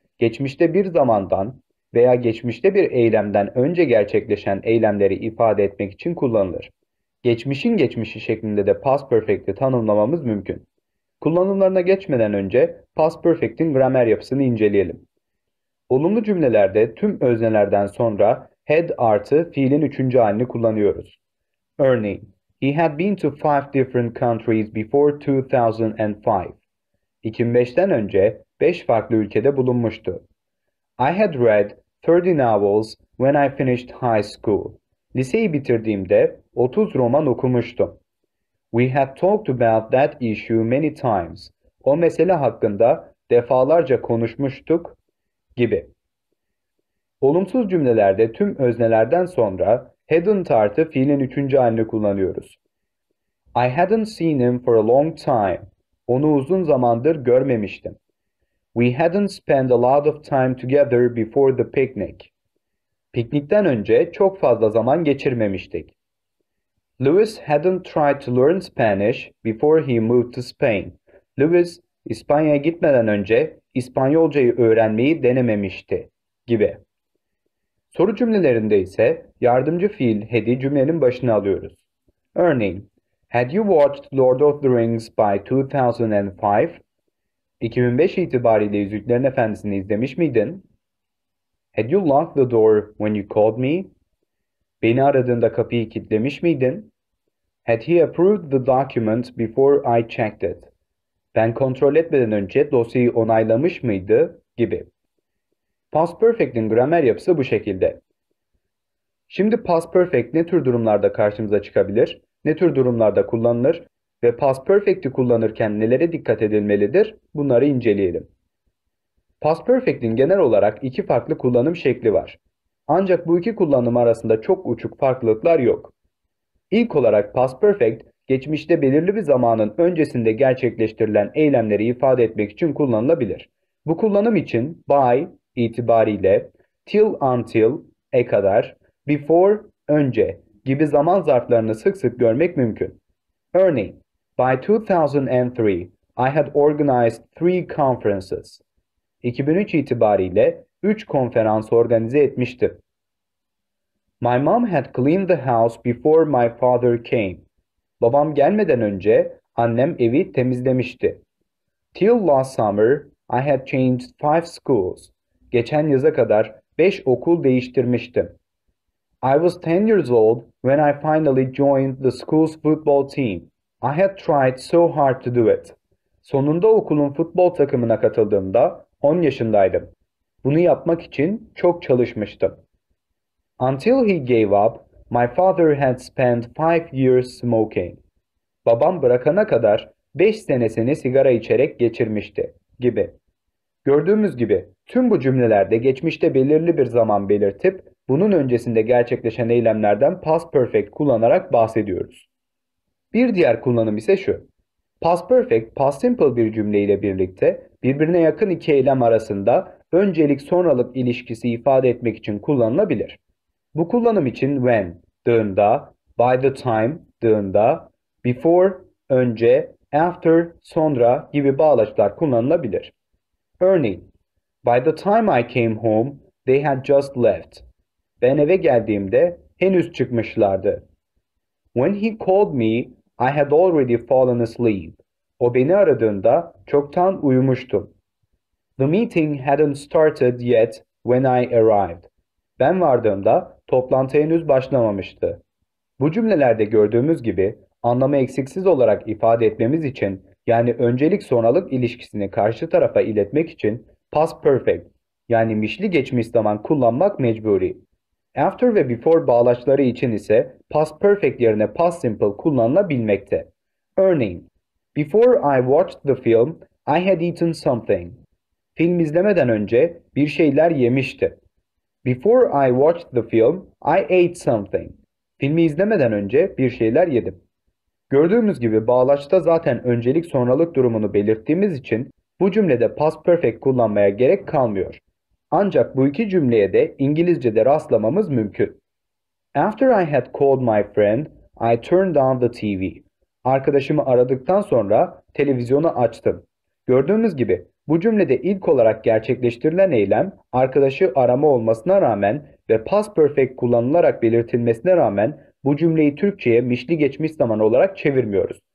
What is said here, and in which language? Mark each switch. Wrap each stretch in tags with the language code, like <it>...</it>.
<tr>Geçmişte bir zamandan veya geçmişte bir eylemden önce gerçekleşen eylemleri ifade etmek için kullanılır. Geçmişin geçmişi şeklinde de Past Perfect'i tanımlamamız mümkün. Kullanımlarına geçmeden önce Past Perfect'in gramer yapısını inceleyelim. Olumlu cümlelerde tüm öznelerden sonra had artı fiilin üçüncü halini kullanıyoruz. Örneğin,</tr> <en>he had been to five different countries before 2005.</en> <tr>2005'ten önce 5 farklı ülkede bulunmuştu.</tr> <en>I had read 30 novels when I finished high school.</en> <tr>Liseyi bitirdiğimde 30 roman okumuştum.</tr> <en>We had talked about that issue many times.</en> <tr>O mesele hakkında defalarca konuşmuştuk gibi. Olumsuz cümlelerde tüm öznelerden sonra hadn't artı fiilin üçüncü halini kullanıyoruz.</tr> <en>I hadn't seen him for a long time.</en> <tr>Onu uzun zamandır görmemiştim.</tr> <en>We hadn't spent a lot of time together before the picnic.</en> <tr>Piknikten önce çok fazla zaman geçirmemiştik.</tr> <en>Lewis hadn't tried to learn Spanish before he moved to Spain.</en> <tr>Lewis, İspanya'ya gitmeden önce İspanyolcayı öğrenmeyi denememişti gibi. Soru cümlelerinde ise yardımcı fiil had'i cümlenin başına alıyoruz. Örneğin,</tr> <en>Had you watched Lord of the Rings by 2005?</en> <tr>2005 itibariyle Yüzüklerin Efendisi'ni izlemiş miydin?</tr> <en>Had you locked the door when you called me?</en> <tr>Beni aradığında kapıyı kilitlemiş miydin?</tr> <en>Had he approved the document before I checked it?</en> <tr>Ben kontrol etmeden önce dosyayı onaylamış mıydı gibi. Past Perfect'in gramer yapısı bu şekilde. Şimdi Past Perfect ne tür durumlarda karşımıza çıkabilir, ne tür durumlarda kullanılır ve Past Perfect'i kullanırken nelere dikkat edilmelidir bunları inceleyelim. Past Perfect'in genel olarak iki farklı kullanım şekli var. Ancak bu iki kullanım arasında çok uçuk farklılıklar yok. İlk olarak Past Perfect, geçmişte belirli bir zamanın öncesinde gerçekleştirilen eylemleri ifade etmek için kullanılabilir. Bu kullanım için by itibariyle, till until e kadar, before önce gibi zaman zarflarını sık sık görmek mümkün. Örneğin,</tr> <en>by 2003 I had organized three conferences.</en> <tr>2003 itibariyle 3 konferans organize etmiştim.</tr> <en>My mom had cleaned the house before my father came.</en> <tr>Babam gelmeden önce annem evi temizlemişti.</tr> <en>Till last summer I had changed five schools.</en> <tr>Geçen yaza kadar 5 okul değiştirmiştim.</tr> <en>I was 10 years old when I finally joined the school's football team. I had tried so hard to do it.</en> <tr>Sonunda okulun futbol takımına katıldığımda 10 yaşındaydım. Bunu yapmak için çok çalışmıştım. Until he gave up, my father had spent 5 years smoking. Babam bırakana kadar 5 senesini sigara içerek geçirmişti gibi. Gördüğümüz gibi tüm bu cümlelerde geçmişte belirli bir zaman belirtip bunun öncesinde gerçekleşen eylemlerden past perfect kullanarak bahsediyoruz. Bir diğer kullanım ise şu. Past perfect, past simple bir cümle ile birlikte birbirine yakın iki eylem arasında öncelik sonralık ilişkisi ifade etmek için kullanılabilir. Bu kullanım için when, the'ında, by the time, the'ında, before, önce, after, sonra gibi bağlaçlar kullanılabilir. Örneğin,</tr> <en>by the time I came home, they had just left.</en> <tr>Ben eve geldiğimde henüz çıkmışlardı.</tr> <en>When he called me, I had already fallen asleep.</en> <tr>O beni aradığında çoktan uyumuştum.</tr> <en>The meeting hadn't started yet when I arrived.</en> <tr>Ben vardığımda toplantı henüz başlamamıştı. Bu cümlelerde gördüğümüz gibi anlamı eksiksiz olarak ifade etmemiz için yani öncelik sonralık ilişkisini karşı tarafa iletmek için past perfect yani mişli geçmiş zaman kullanmak mecburi. After ve before bağlaçları için ise past perfect yerine past simple kullanılabilmekte. Örneğin,</tr> <en>before I watched the film, I had eaten something.</en> <tr>Film izlemeden önce bir şeyler yemişti.</tr> <en>Before I watched the film, I ate something.</en> <tr>Filmi izlemeden önce bir şeyler yedim. Gördüğümüz gibi bağlaçta zaten öncelik sonralık durumunu belirttiğimiz için bu cümlede past perfect kullanmaya gerek kalmıyor. Ancak bu iki cümleye de İngilizce'de rastlamamız mümkün.</tr> <en>After I had called my friend, I turned on the TV.</en> <tr>Arkadaşımı aradıktan sonra televizyonu açtım. Gördüğünüz gibi bu cümlede ilk olarak gerçekleştirilen eylem arkadaşı arama olmasına rağmen ve past perfect kullanılarak belirtilmesine rağmen bu cümleyi Türkçe'ye mişli geçmiş zaman olarak çevirmiyoruz.</tr>